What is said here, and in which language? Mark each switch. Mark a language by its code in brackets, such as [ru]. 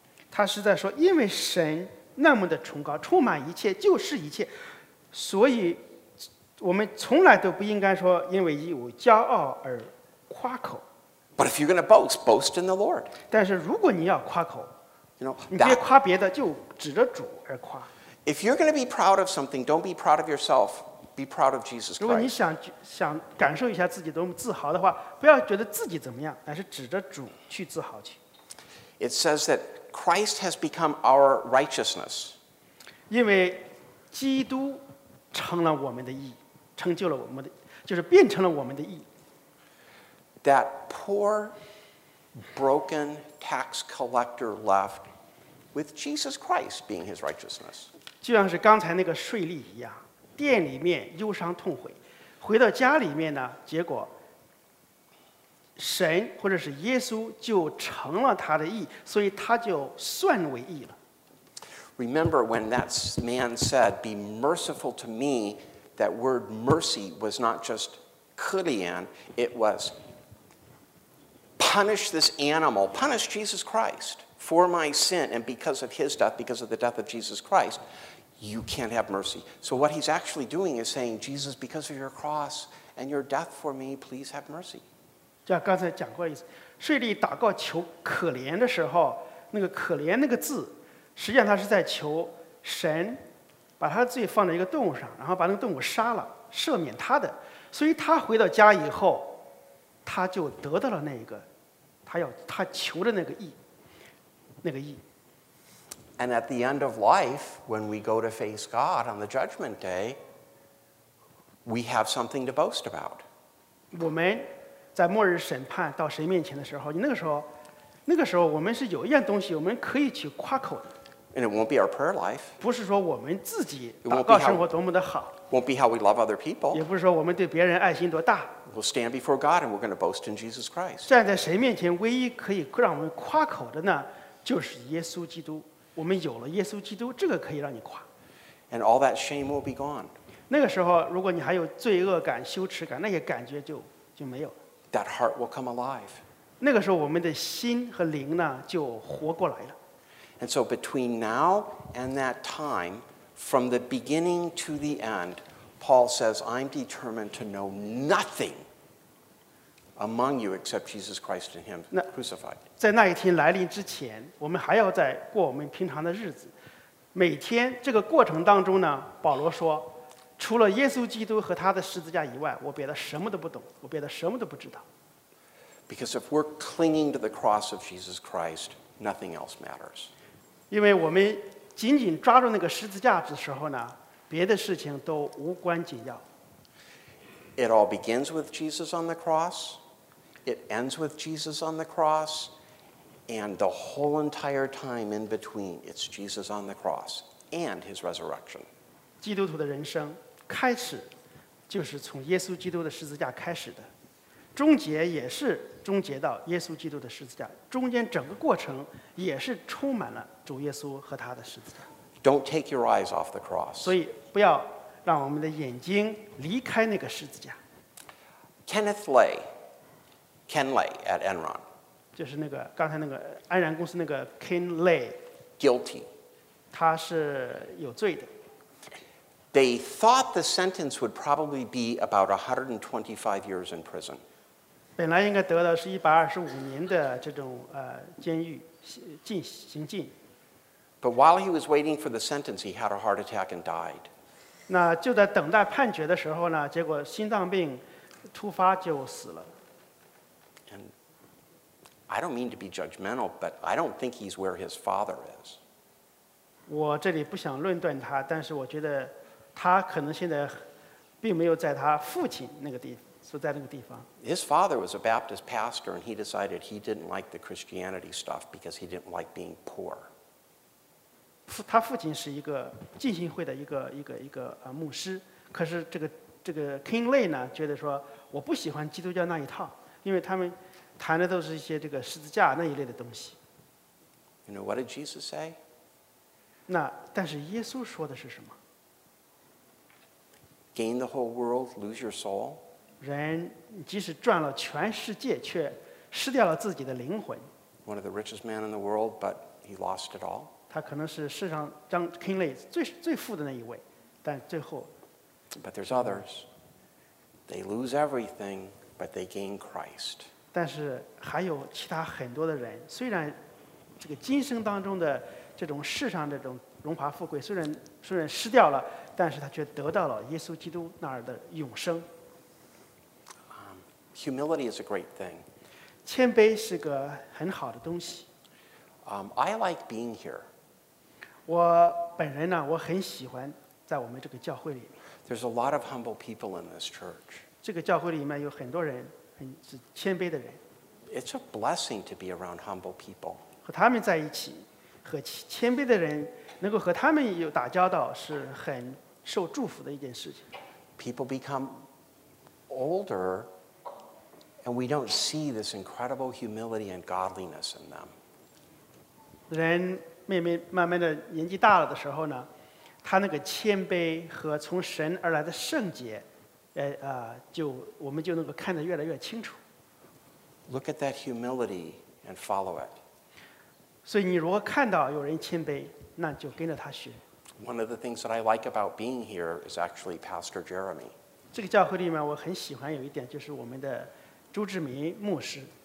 [zh] 他是在说，因为神那么的崇高，充满一切，就是一切，所以我们从来都不应该说因为有骄傲而夸口。 [en] But if you're going to boast, boast in the Lord. [zh] 但是如果你要夸口，你别夸别的，就指着主而夸。 [en] If you're going to be proud of something, don't be proud of yourself. Be proud of Jesus Christ. [zh] 如果你想感受一下自己多么自豪的话，不要觉得自己怎么样，而是指着主去自豪去。 [en] It says that Christ has become our righteousness. [zh] 因为基督成了我们的义，成就了我们的，就是变成了我们的义。 [en] That poor, broken tax collector left with Jesus Christ being his righteousness. [zh] 就像是刚才那个税吏一样，店里面忧伤痛悔，回到家里面呢，结果神或者是耶稣就成了他的义，所以他就算为义了。 [en] Remember when that man said, "Be merciful to me." That word "mercy" was not just "kilian," it was "punish this animal, punish Jesus Christ for my sin, and because of his death, because of the death of Jesus Christ." You can't have mercy. So what he's actually doing is saying, Jesus, because of your cross and your death for me, please have mercy. [zh] 就刚才讲过一次，税吏祷告求可怜的时候，那个可怜那个字，实际上他是在求神把他的罪放在一个动物上，然后把那个动物杀了，赦免他的。所以他回到家以后，他就得到了那个他求的那个义，那个义。 [en] And at the end of life, when we go to face God on the judgment day, we have something to boast about. [zh] 我们在末日审判到神面前的时候，那个时候我们是有一样东西我们可以去夸口的。 [en] And it won't be our prayer life. [zh] 不是说我们自己祷告生活多么的好。 [en] Won't be how we love other people. [zh] 也不是说我们对别人爱心多大。 [en] We'll stand before God and we're going to boast in Jesus Christ. [zh] 站在神面前唯一可以让我们夸口的呢，就是耶稣基督。我们有了耶稣基督，这个可以让你夸。 [en] And all that shame will be gone. [zh] 那个时候，如果你还有罪恶感、羞耻感，那些感觉就没有了。 [en] That heart will come alive. [zh] 那个时候，我们的心和灵呢，就活过来了。 [en] And so between now and that time, from the beginning to the end, Paul says, "I'm determined to know nothing among you except Jesus Christ and Him crucified. [zh] 在那一天来临之前，我们还要再过我们平常的日子。每天这个过程当中呢，保罗说，除了耶稣基督和他的十字架以外，我别的什么都不懂，我别的什么都不知道。 [en] Because if we're clinging to the cross of Jesus Christ, nothing else matters. [zh] 因为我们紧紧抓住那个十字架的时候呢，别的事情都无关紧要。 [en] It all begins with Jesus on the cross. It ends with Jesus on the cross. And the whole entire time in between, it's Jesus on the cross and his resurrection. [zh] 基督徒的人生开始就是从耶稣基督的十字架开始的。终结也是终结到耶稣基督的十字架，中间整个过程也是充满了主耶稣和他的十字架。 [en] Don't take your eyes off the cross. [zh] 所以不要让我们的眼睛离开那个十字架。 [en] Kenley at Enron. [zh] 就是那个刚才那个安然公司那个 Kenley. [en] Guilty. [zh] 他是有罪的。 [en] They thought the sentence would probably be about 125 years in prison. [zh] 本来应该得的是125年的这种监狱刑禁。 [en] But while he was waiting for the sentence, he had a heart attack and died. [zh] 那就在等待判决的时候呢，结果心脏病突发就死了。 [en] And I don't mean to be judgmental, but I don't think he's where his father is. [zh] 我这里不想论断他，但是我觉得他可能现在并没有在他父亲那个地所在那个地方。 [en] His father was a Baptist pastor, and he decided he didn't like the Christianity stuff because he didn't like being poor. [zh] 他父亲是一个浸信会的一个牧师，可是这个 Kingley 呢，觉得说我不喜欢基督教那一套，因为他们谈的都是一些这个十字架那一类的东西。 [en] You know what did Jesus say? [zh] 那但是耶稣说的是什么？ [en] Gain the whole world, lose your soul. [zh] 人即使赚了全世界，却失掉了自己的灵魂。 [en] One of the richest men in the world, but he lost it all. [zh] 他可能是世上张 Kingley 最富的那一位，但最后。 [en] But there's others. They lose everything, but they gain Christ. [zh] 但是还有其他很多的人，虽然这个今生当中的这种世上这种荣华富贵，虽然失掉了。但是他却得到了耶稣基督那儿的永生。 [en] Humility is a great thing. [zh] 谦卑是个很好的东西。 [en] I like being here. [zh] 我本人呢，我很喜欢在我们这个教会里面。 [en] There's a lot of humble people in this church. [zh] 这个教会里面有很多人很是谦卑的人。 [en] It's a blessing to be around humble people. [zh] 和他们在一起，和谦卑的人。能够和他们有打交道是很受祝福的一件事情。 [en] People become older, and we don't see this incredible humility and godliness in them. [zh] 人慢慢的年纪大了的时候呢，他那个谦卑和从神而来的圣洁，就我们就能够看得越来越清楚。 [en] Look at that humility and follow it. [zh] 所以你如果看到有人谦卑。那就跟着他学。 [en] One of the things that I like about being here is actually Pastor Jeremy. [zh] 这个教会里面我很喜欢有一点就是我们的朱志明牧师。